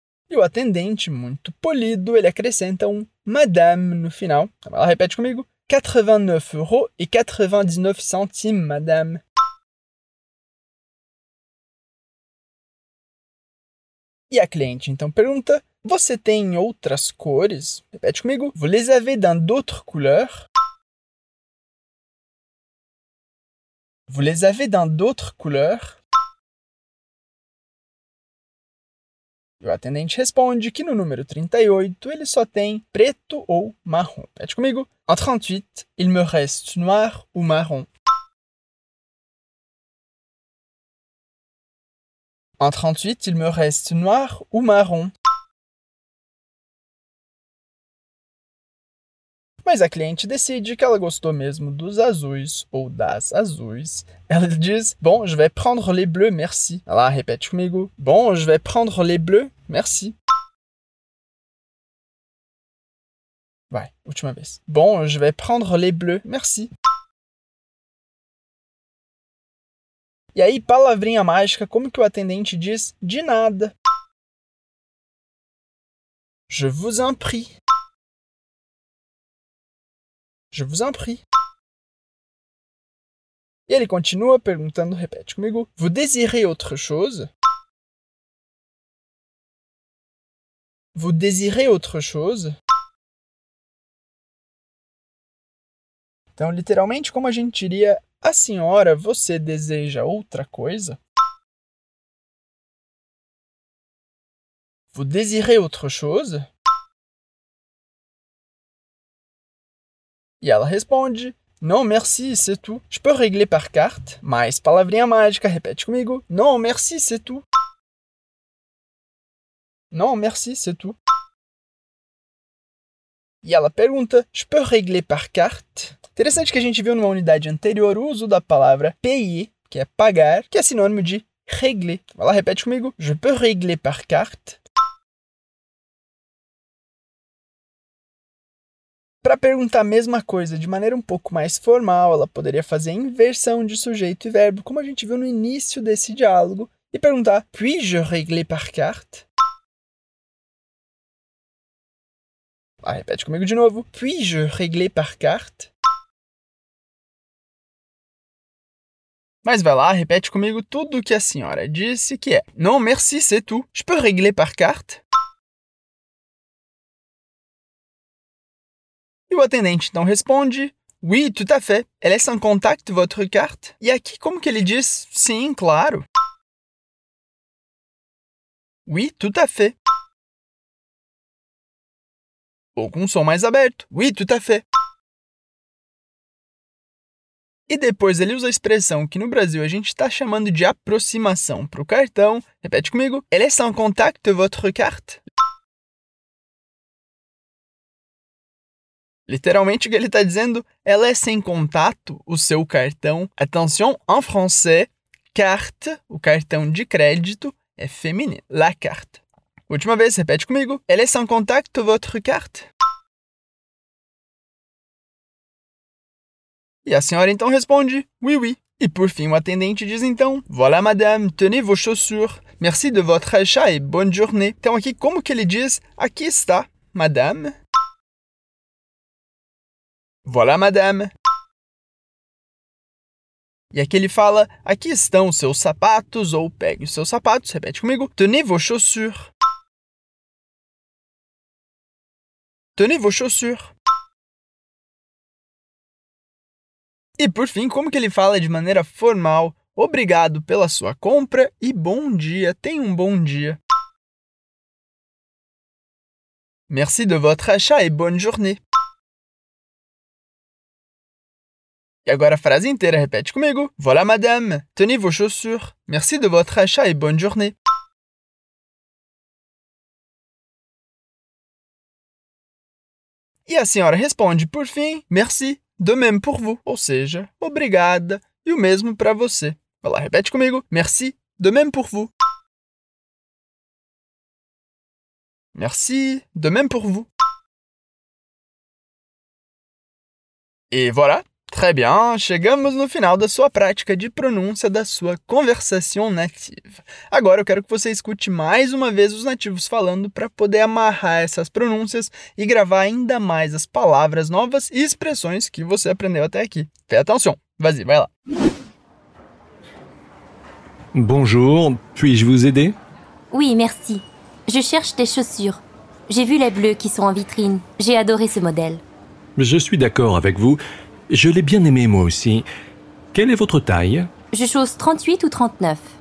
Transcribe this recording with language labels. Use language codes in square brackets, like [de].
[pt] E o atendente, muito polido, ele acrescenta um madame no final. Ela repete comigo. [fr] 89,99 €, madame. [pt] E a cliente então pergunta, você tem outras cores? Repete comigo. [fr] Vous les avez dans d'autres couleurs? Vous les avez dans d'autres couleurs? [pt] O atendente responde que no número 38 ele só tem preto ou marrom. Repete comigo. [fr] En 38, il me reste noir ou marron. En 38, il me reste noir ou marron. [pt] Mas a cliente decide que ela gostou mesmo dos azuis ou das azuis. Ela diz, [fr] bon, je vais prendre les bleus, merci. [pt] Ela repete comigo, [fr] bon, je vais prendre les bleus, merci. [pt] Vai, última vez. [fr] Bon, je vais prendre les bleus, merci. [pt] E aí, palavrinha mágica, como que o atendente diz, de nada. [fr] Je vous en prie. Je vous en prie. [pt] E ele continua perguntando, repete comigo. [fr] Vous désirez autre chose? Vous désirez autre chose? [pt] Então, literalmente, como a gente diria, a senhora, você deseja outra coisa? [fr] Vous désirez autre chose? [pt] E ela responde: [fr] Non, merci, c'est tout. Je peux régler par carte. [pt] Mais, palavrinha mágica, repete comigo. [fr] Non, merci, c'est tout. Non, merci, c'est tout. [pt] E ela pergunta: [fr] Je peux régler par carte? [pt] Interessante que a gente viu numa unidade anterior o uso da palavra payer, que é pagar, que é sinônimo de régler. Vai lá, repete comigo. [fr] Je peux régler par carte. [pt] Para perguntar a mesma coisa de maneira um pouco mais formal, ela poderia fazer a inversão de sujeito e verbo, como a gente viu no início desse diálogo, e perguntar: [fr] Puis-je régler par carte? [pt] Ah, repete comigo de novo. [fr] Puis-je régler par carte? [pt] Mas vai lá, repete comigo tudo o que a senhora disse, que é: [fr] Non, merci, c'est tout. Je peux régler par carte? [pt] E o atendente então responde: [fr] Oui, tout à fait. Elle est sans contact, votre carte? [pt] E aqui, como que ele diz: Sim, claro. [fr] Oui, tout à fait. [pt] Ou com um som mais aberto. [fr] Oui, tout à fait. [pt] E depois ele usa a expressão que no Brasil a gente está chamando de aproximação para o cartão. Repete comigo. [fr] Elle est sans contact, votre carte? [pt] Literalmente, o que ele está dizendo? Ela é sem contato, o seu cartão. [fr] Attention, en français, [pt] carte, o cartão de crédito, é feminino. La carte. Última vez, repete comigo. [fr] Elle est sans contact, votre carte? [pt] E a senhora então responde: [fr] Oui, oui. [pt] E por fim, o atendente diz então: [fr] Voilà, madame, tenez vos chaussures. Merci de votre achat et bonne journée. [pt] Então aqui, como que ele diz? Aqui está, madame. [fr] Voilà, madame. [pt] E aqui ele fala: Aqui estão os seus sapatos, ou pegue os seus sapatos, repete comigo. [fr] Tenez vos chaussures. Tenez vos chaussures. [pt] E por fim, como que ele fala de maneira formal: Obrigado pela sua compra e bom dia, tenha um bom dia. [fr] Merci de votre achat et bonne journée. [pt] E agora a frase inteira, repete comigo. [fr] Voilà, madame. Tenez vos chaussures. Merci de votre achat et bonne journée. [pt] E a senhora responde, por fim, [fr] merci, de même pour vous. [pt] Ou seja, obrigada e o mesmo para você. Vai lá, repete comigo. [fr] Merci, de même pour vous. Merci, de même pour vous. [pt] E voilà. [fr] Très bien, [pt] chegamos no final da sua prática de pronúncia da sua conversação nativa. Agora eu quero que você escute mais uma vez os nativos falando para poder amarrar essas pronúncias e gravar ainda mais as palavras novas e expressões que você aprendeu até aqui. [fr] Fais attention, vas-y, [pt] vai lá. [fr] Bonjour, puis-je vous aider? Oui, merci. Je cherche des chaussures. J'ai vu les bleues qui sont en vitrine. J'ai adoré ce modèle. Je suis d'accord avec vous. Je l'ai bien aimé, moi aussi. Quelle est votre taille? Je chausse 38 ou 39.